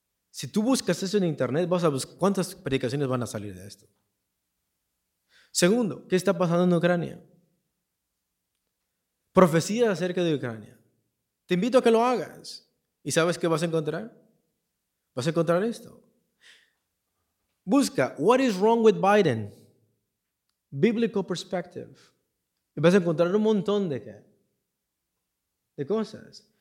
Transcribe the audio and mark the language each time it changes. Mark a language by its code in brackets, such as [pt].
[es] Si tú buscas eso en internet, vas a buscar cuántas predicaciones van a salir de esto. Segundo, ¿qué está pasando en Ucrania? Profecías acerca de Ucrania. Te invito a que lo hagas. ¿Y sabes qué vas a encontrar? Vas a encontrar esto. Busca, [en] what is wrong with Biden? Biblical perspective. [es] Y vas a encontrar un montón de qué. De cosas.